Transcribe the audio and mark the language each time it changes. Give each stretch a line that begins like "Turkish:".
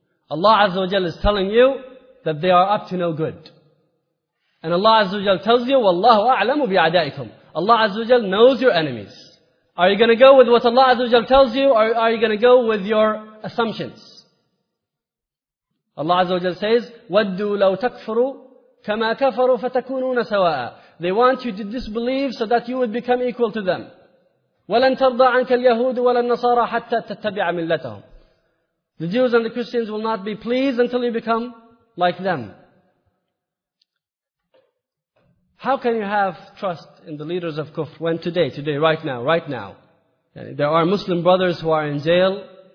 English: Allah Azza wa Jalla is telling you that they are up to no good. And Allah Azza wa Jalla tells you,
Arabic: وَاللَّهُ أَعْلَمُ بِعَدَائِكُمْ.
English: Allah Azza wa Jalla knows your enemies. Are you going to go with what Allah Azza wa Jalla tells you, or are you going to go with your assumptions?
Arabic: Allah Azza wa Jalla
English: says,
Arabic: وَدُّوا لَوْ تَكْفُرُوا كَمَا كَفَرُوا فَتَكُونُونَ سَوَاءً.
English: They want you to disbelieve so that you would become equal to them.
Arabic: وَلَنْ تَرْضَى عَنْكَ الْيَهُودُ وَلَا النَّصَارَى حَتَّى تَتَّبِعَ مِلَّتَهُمْ.
English: The Jews and the Christians will not be pleased until you become like them. How can you have trust in the leaders of Kufr when today, right now, there are Muslim brothers who are in jail?